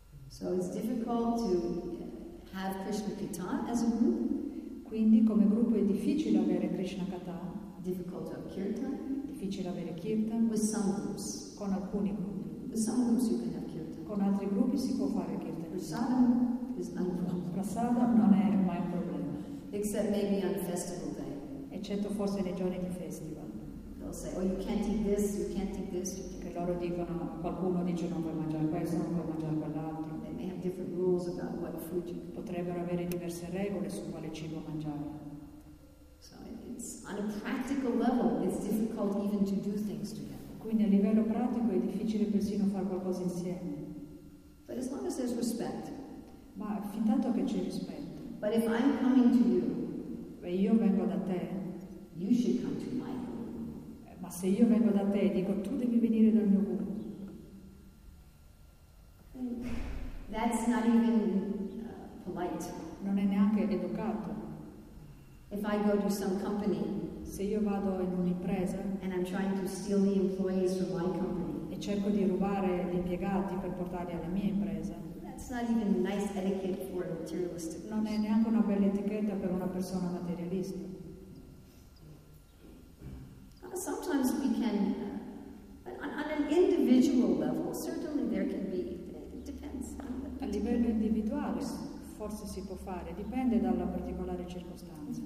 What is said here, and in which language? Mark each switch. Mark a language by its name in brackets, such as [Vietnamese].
[English] So it's difficult to have Krishna Katha as a group. [Italian] Quindi come gruppo è difficile avere Krishna Katha. [English] Difficult to have kirtan. [Italian] Difficile avere kirtan. [English] With some groups. [Italian] Con alcuni gruppi. [English] With some groups you can have kirtan. [Italian] Con altri gruppi si può fare kirtan. [English] Prasada is not a problem. [Italian] Prasada non è mai un problema. [English] Except maybe on festival day. [Italian] Eccetto forse nei giorni di festival. [English] They'll say, oh, you can't eat this, you can't eat this. [Italian] Che loro dicono, qualcuno dice non puoi mangiare questo, non puoi mangiare quell'altro. [English] Different rules about what food you can. [Italian] Potrebbero avere diverse regole su quale cibo mangiare. [English] So it's on a practical level, it's difficult even to do things together. [Italian] Quindi a livello pratico è difficile persino fare qualcosa insieme. [English] But as long as there's respect. [Italian] Ma fin tanto che c'è rispetto. [English] But if I'm coming to you, [Italian] e io vengo da te, [English] you should come to my home. [Italian] Ma se io vengo da te, dico tu devi venire dal mio cuore. [English] That's not even polite. [Italian] Non è neanche educato. [English] If I go to some company, [Italian] se io vado in un'impresa, [English] and I'm trying to steal the employees from my company, [Italian] e cerco di rubare gli impiegati per portarli alla mia impresa, [English] that's not even a nice etiquette for a materialistic person. [Italian] Non è neanche una bella etichetta per una persona materialista. [English] Sometimes we can, on an individual level, certainly there can be. [Italian] A livello individuale forse si può fare, dipende dalla particolare circostanza.